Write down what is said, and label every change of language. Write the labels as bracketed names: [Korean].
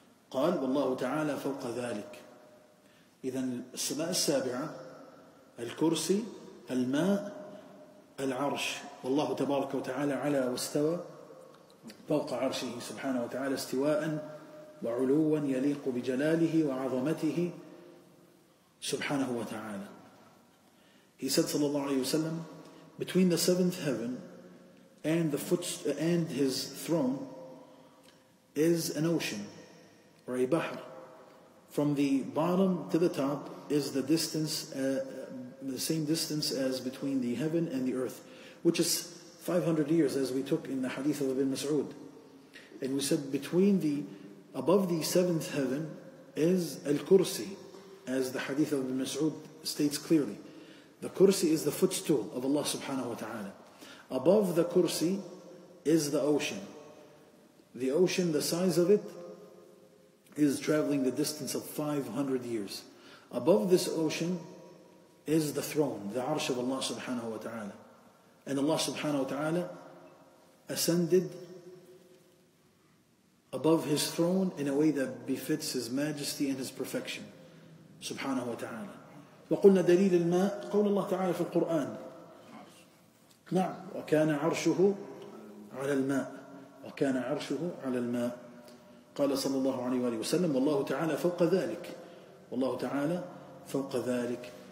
[Arabic] قال والله تعالى فوق ذلك. إذن السماء السابعة، الكرسي، الماء، العرش، والله تبارك وتعالى على واستوى فوق عرشه سبحانه وتعالى استواء وعلوا يليق بجلاله وعظمته سبحانه وتعالى. [English] He said [Arabic] صلى الله عليه وسلم [English] between the seventh heaven and the foot and his throne is an ocean or a bahr. From the bottom to the top is the distance, the same distance as between the heaven and the earth, which is 500 years, as we took in the hadith of Ibn Mas'ud. And we said between the above the seventh heaven is al-kursi, as the hadith of Ibn Mas'ud states clearly. The kursi is the footstool of Allah subhanahu wa ta'ala. Above the kursi is the ocean. The ocean, the size of it, is traveling the distance of 500 years. Above this ocean is the throne, the arsh of Allah subhanahu wa ta'ala. And Allah subhanahu wa ta'ala ascended above his throne in a way that befits his majesty and his perfection subhanahu wa ta'ala. [Arabic] وقلنا دليل الماء قول الله تعالى في القرآن، نعم، وكان عرشه على الماء، وكان عرشه على الماء. قال صلى الله عليه وآله وسلم والله تعالى فوق ذلك، والله تعالى فوق ذلك.